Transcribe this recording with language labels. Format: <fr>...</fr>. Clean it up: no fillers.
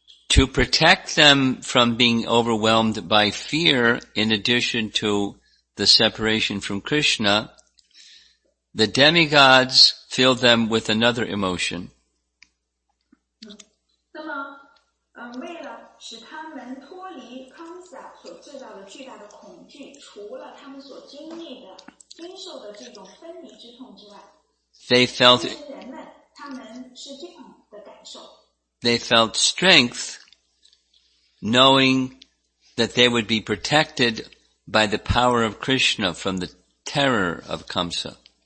<en>To protect them from being overwhelmed by fear, in addition to the separation from Krishna, the demigods filled them with another emotion.</en> <zh>那么，为了使他们脱离康萨所受到的巨大的恐惧，除了他们所经历的、经受的这种分离之痛之外，</zh> <en>they felt,</en> <zh>他们是这样的感受。</zh> <en>They felt strength, knowing that they would be protected by the power of Krishna from the terror of Kamsa.</en>